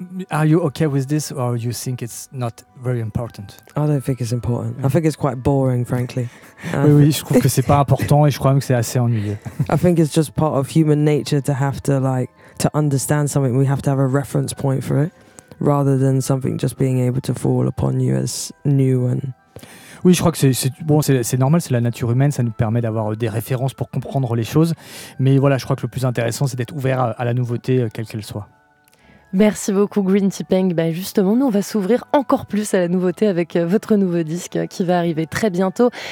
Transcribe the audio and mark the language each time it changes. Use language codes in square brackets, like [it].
[en] Are you okay with this, or you think it's not very important? I don't think it's important. I think it's quite boring, frankly. [fr] Oui, je trouve que c'est pas important, et je crois même que c'est assez ennuyeux. [en] I think it's just part of human nature to have to like to understand something. We have to have a reference point for it, rather than something just being able to fall upon you as new and. [fr] Oui, je crois que c'est normal, c'est la nature humaine, ça nous permet d'avoir des références pour comprendre les choses. Mais voilà, je crois que le plus intéressant, c'est d'être ouvert à la nouveauté, quelle qu'elle soit. Merci beaucoup Green Tipping. Ben justement, nous on va s'ouvrir encore plus à la nouveauté avec votre nouveau disque qui va arriver très bientôt.